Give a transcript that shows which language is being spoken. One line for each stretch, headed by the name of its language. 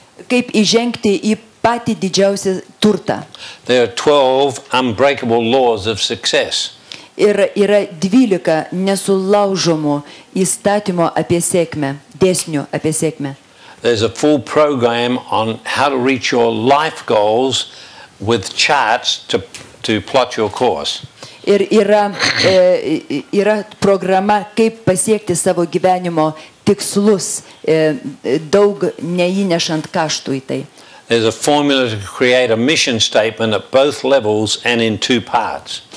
Lithuanian: Kaip įžengti į patį didžiausią turtą.
English: There are 12 unbreakable laws of success.
Lithuanian: Ir yra 12 nesulaužomų įstatymo apie sėkmę, dėsnių apie sėkmę.
English: There's a full program on how to reach your life goals with charts to plot your course.
Lithuanian: Ir yra programa, kaip pasiekti savo gyvenimo tikslus, daug neįnešant kaštų į tai.
English: There's a formula to create a mission statement at both levels and in two parts.